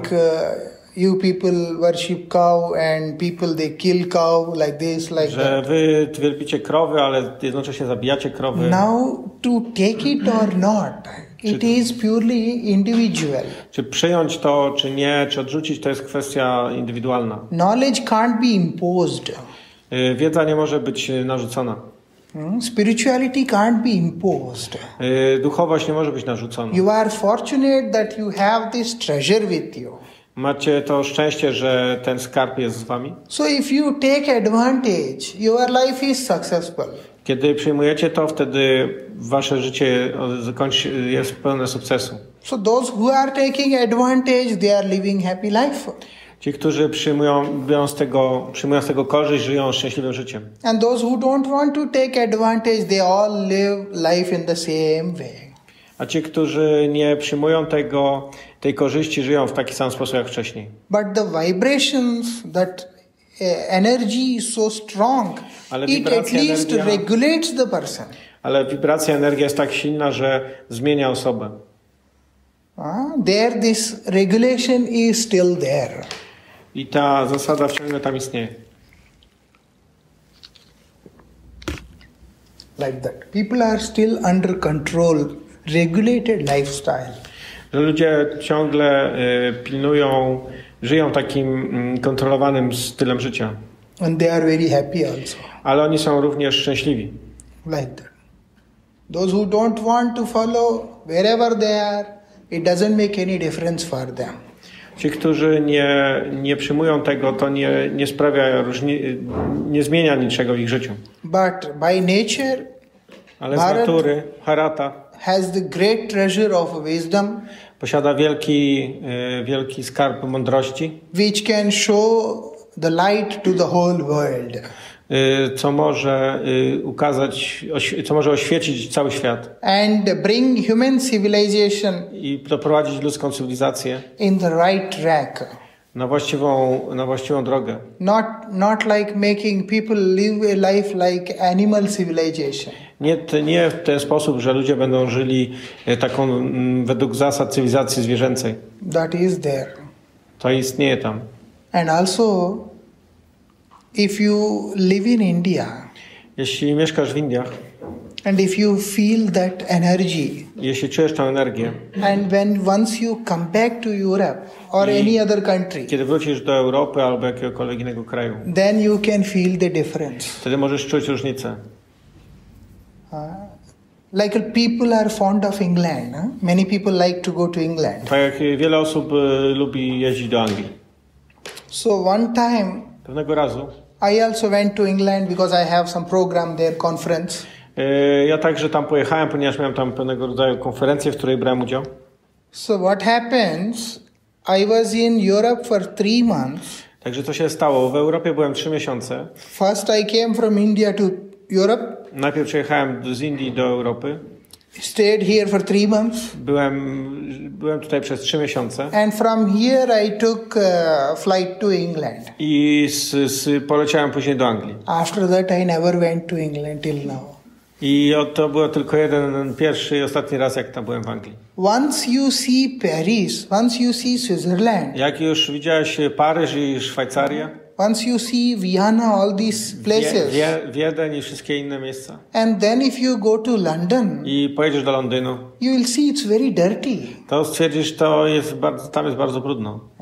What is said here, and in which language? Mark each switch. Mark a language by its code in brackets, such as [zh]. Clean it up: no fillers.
[en] Like you people worship cow and people they kill cow like this, like [pl] że wy wielbicie krowy, ale jednocześnie zabijacie krowy. [en] Now to take it or not. It is purely individual. [pl] Czy przyjąć to, czy nie, czy odrzucić, to jest kwestia indywidualna. [en] Knowledge can't be imposed. [pl] Wiedza nie może być narzucona. [en] Spirituality can't be imposed. [pl] Duchowość nie może być narzucona. [en] You are fortunate that you have this treasure with you. [pl] Macie to szczęście, że ten skarb jest z wami. [en] So if you take advantage, your life is successful. [pl] Kiedy przyjmujecie to, wtedy wasze życie jest pełne sukcesu. [en] So those who are taking advantage, they are living happy life. [pl] Ci, którzy przyjmują z tego korzyść, żyją szczęśliwym życiem. [en] And those who don't want to take advantage, they all live life in the same way. [pl] A ci, którzy nie przyjmują tej korzyści, żyją w taki sam sposób jak wcześniej. [en] But the vibrations that energy is so strong, it at least regulates the person. [pl] Ale wibracja, energia jest tak silna, że zmienia osobę. [en] There this regulation is still there. [pl] I ta zasada wciąż tam istnieje. [en] Like that. People are still under control, regulated lifestyle. [pl] Że ludzie ciągle pilnują, żyją takim kontrolowanym stylem życia. [en] And they are very happy also. [pl] Ale oni są również szczęśliwi. [en] Like that. Those who don't want to follow wherever they are, it doesn't make any difference for them. [pl] Ci, którzy nie przyjmują tego, to nie sprawia nie zmienia niczego w ich życiu. [en] But by nature, [pl] ale z natury, Harata [en] has the great treasure of wisdom. [pl] Posiada wielki skarb mądrości, [en] which can show the light to the whole world. [pl] Co może oświecić cały świat. [en] And bring human civilization [pl] i doprowadzić ludzką cywilizację [en] in the right track. [pl] na właściwą drogę. [en] Not like making people live a life like animal civilization. [pl] Nie w ten sposób, że ludzie będą żyli taką według zasad cywilizacji zwierzęcej. [en] That is there. [pl] To istnieje tam. [en] And also, if you live in India. [pl] Jeśli mieszkasz w Indiach. [en] And if you feel that energy. [pl] Jeśli czujesz tę energię. [en] And when once you come back to Europe or any other country. [pl] Kiedy wrócisz do Europy albo jakiegokolwiek innego kraju. [en] Then you can feel the difference. [pl] Wtedy możesz czuć różnicę. [en] Like people are fond of England. Many people like to go to England. [pl] Tak jak wiele osób lubi jeździć do Anglii. [en] So one time. [pl] Pewnego razu. [en] I also went to England because I have some program there, conference. [pl] Ja także tam pojechałem, ponieważ miałem tam pewnego rodzaju konferencję, w której brałem udział. [en] So what happens? I was in Europe for 3 months. [pl] Także co się stało? W Europie byłem 3 miesiące. [en] First I came from India to Europe. [pl] Najpierw przyjechałem z Indii do Europy. [en] Stayed here for 3 months. [pl] Byłem tutaj przez 3 miesiące. [en] And from here I took flight to England. [pl] I poleciałem później do Anglii. [en] After that I never went to England till now. [pl] I to był tylko pierwszy i ostatni raz, jak tam byłem w Anglii. [en] Once you see Paris, once you see Switzerland. [pl] Jak już widziałeś Paryż i Szwajcarię. [en] Once you see Vienna, all these places. [pl] Wiedeń i wszystkie inne miejsca. [en] And then if you go to London. [pl] I pojedziesz do Londynu. [en] You will see it's very dirty. [pl] To stwierdzisz, to jest bardzo, tam jest bardzo brudno.